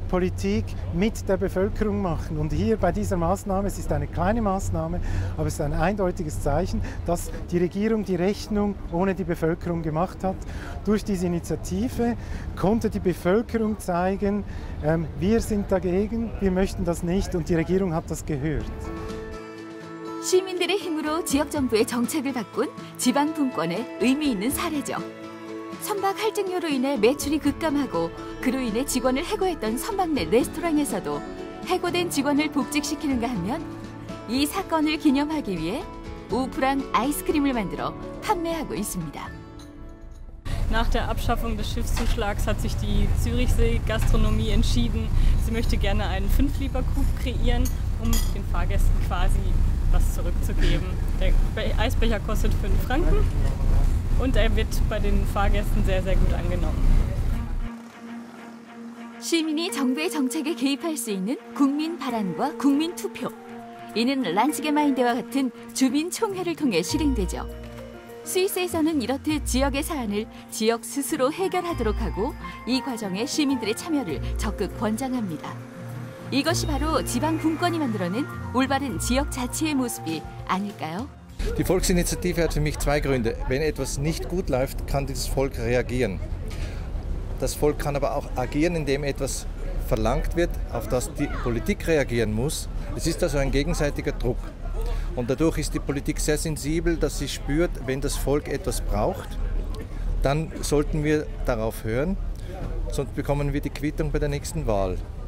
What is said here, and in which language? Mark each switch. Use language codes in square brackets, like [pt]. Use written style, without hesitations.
[de] Politik mit der Bevölkerung machen. Und hier bei dieser Maßnahme, es ist eine kleine Maßnahme, aber es ist ein eindeutiges Zeichen, dass die Regierung die Rechnung ohne die Bevölkerung gemacht hat. Durch diese Initiative konnte die Bevölkerung zeigen, wir sind dagegen, wir möchten das nicht und die Regierung hat das gehört. [ko] 시민들의 힘으로 지역정부의 정책을 바꾼 지방분권의 의미 있는 사례죠. 선박 할증료로 인해 매출이 급감하고 그로 인해 직원을 해고했던 선박 내 레스토랑에서도 해고된 직원을 복직시키는가 하면 이 사건을 기념하기 위해 우프랑 아이스크림을 만들어 판매하고 있습니다. [de] Nach der Abschaffung des Schiffszuschlags hat sich die Zürichsee Gastronomie entschieden. Sie möchte gerne einen 5-Liter-Coup kreieren, um den Fahrgästen quasi was zurückzugeben. Der Eisbecher kostet 5 Franken und er wird bei den Fahrgästen sehr, sehr gut angenommen. [ko] 시민이 정부의 정책에 개입할 수 있는 국민 발언과 국민 투표. 이는 란츠게마인데와 같은 주민 총회를 통해 실행되죠. 스위스에서는 이렇듯 지역의 사안을 지역 스스로 해결하도록 하고 이 과정에 시민들의 참여를 적극 권장합니다. 이것이 바로 지방 분권이 만들어낸 올바른 지역 자치의 모습이 아닐까요? [de] Die Volksinitiative hat für mich zwei Gründe. Wenn etwas nicht gut läuft, kann dieses Volk reagieren. Das Volk kann aber auch agieren, indem etwas verlangt wird, auf das die Politik reagieren muss. Es ist also ein gegenseitiger Druck. Und dadurch ist die Politik sehr sensibel, dass sie spürt, wenn das Volk etwas braucht, dann sollten wir darauf hören, sonst bekommen wir die Quittung bei der nächsten Wahl.